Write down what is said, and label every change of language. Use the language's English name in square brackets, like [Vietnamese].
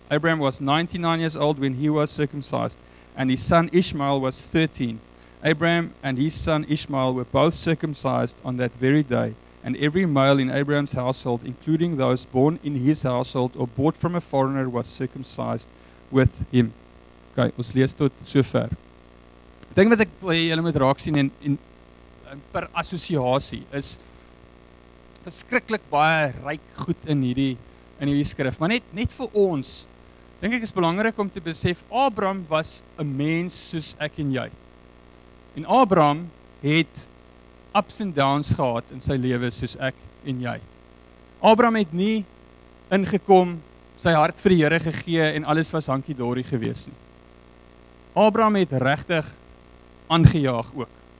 [English] Abraham was 99 years old when he was circumcised, and his son Ishmael was 13. Abraham and his son Ishmael were both circumcised on that very day, and every male in Abraham's household, including those born in his household or bought from a foreigner, was circumcised with him. [Afrikaans] Okay, ons lees tot sover. Ding wat ek wil julle moet raak sien en per assosiasie is verskriklik baie ryk goed in hierdie skrif, maar net vir ons dink ek is belangrik om te besef Abraham was 'n mens soos ek en jy. En Abraham het [English] ups and downs [Afrikaans] gehad in sy lewe soos ek en jy. Abraham het nie ingekom sy hart vir die Here gegee en alles was hankie dorie gewees nie. Abraham het regtig aangejaag ook.